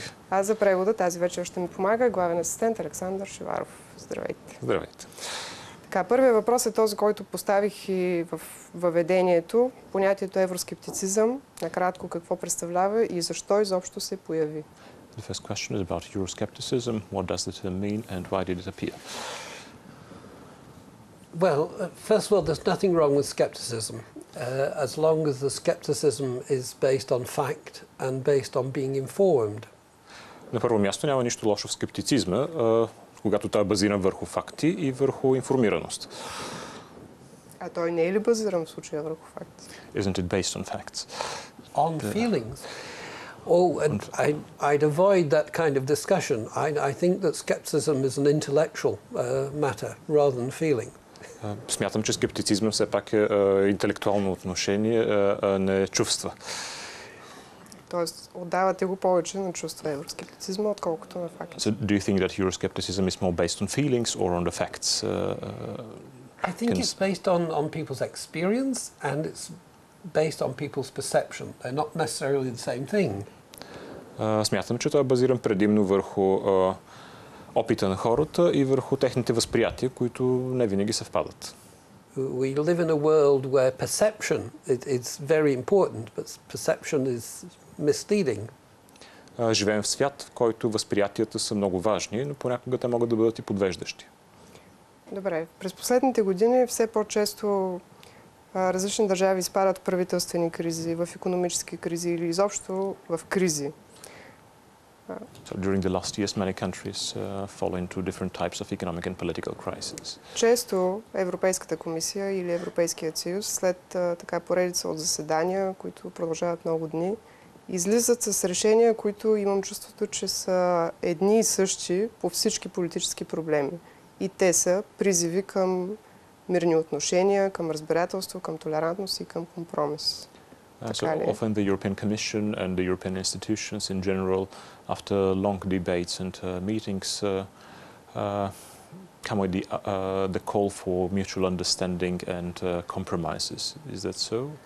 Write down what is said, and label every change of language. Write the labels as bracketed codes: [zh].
[bg] Аз за превода тази вечер ще ми помага главен асистент Александър Шиваров. Здравейте! Здравейте! Така, първият въпрос е този, който поставих и в въведението. Понятието евроскептицизъм. Накратко, какво представлява и защо изобщо се появи? [en] The first question is about euroscepticism. What does the term mean and why did it appear? Well, first of all, there's nothing wrong with skepticism. As long as the skepticism is based on fact and based on being informed. [bg] На първо място няма нищо лошо в скептицизма, когато той е базиран върху факти и върху информираност. А той не е ли базиран в случая върху факти? [en] Isn't it based on facts? On feelings. Oh, and I'd avoid that kind of discussion. I think that skepticism is an intellectual matter rather than feeling. [bg] Смятам, че скептицизмът все пак е интелектуално отношение, а не чувства. Тоест, отдавате го повече на чувства евроскептицизма, отколкото на факти. [en] So, do you think that euroscepticism is more based on feelings or on the facts? I think it's based on people's experience and it's based on people's perception. They're not necessarily the same thing. [bg] Смятам, че това е базиран предимно върху опита на хората и върху техните възприятия, които не винаги съвпадат. [en] We live in a world where perception is very important, but perception is misleading. [bg] Живеем в свят, в който възприятията са много важни, но понякога те могат да бъдат и подвеждащи. Добре. През последните години все по-често различни държави изпадат в правителствени кризи, в икономически кризи или изобщо в кризи. [en] So during the last years, many countries fall into different types of economic and political crises. [bg] Често Европейската комисия или Европейският съюз, след така поредица от заседания, които продължават много дни, излизат с решения, които имам чувството, че са едни и същи по всички политически проблеми. И те са призиви към мирни отношения, към разбирателство, към толерантност и към компромис. [en] So often the European Commission and the European institutions in general, after long debates and meetings, come with the call for mutual understanding and compromises. Is that so?